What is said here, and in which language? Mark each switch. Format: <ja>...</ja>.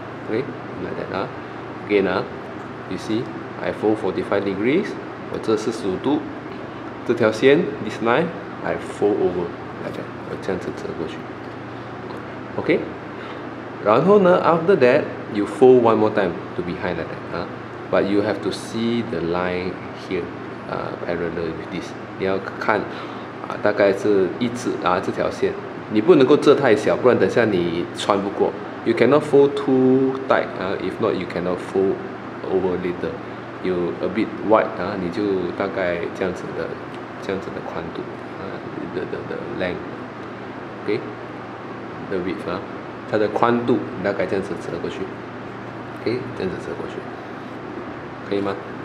<en>？Okay, like that 啊 ，again 啊 ，you see, I fold 45 degrees,</en> <zh>我折45度，这条线</zh> <en>this line, I fold over like that,</en> <zh>我这样子折过去</zh> <en>，Okay,</en> <zh>然后呢</zh> <en>，after that, you fold one more time to behind like that 啊。 But you have to see the line here, parallel with this.</en> <zh>你要看，大概是一字啊这条线。你不能够折太小，不然等下你穿不过。</zh> <en>You cannot fold too tight, if not you cannot fold over later. You a bit wide,</en> <zh>你就大概这样子的宽度，</zh> <en>the length, okay, the width,</en> <zh>它的宽度大概这样子折过去 ，okay, 这样子折过去。可以吗？</zh>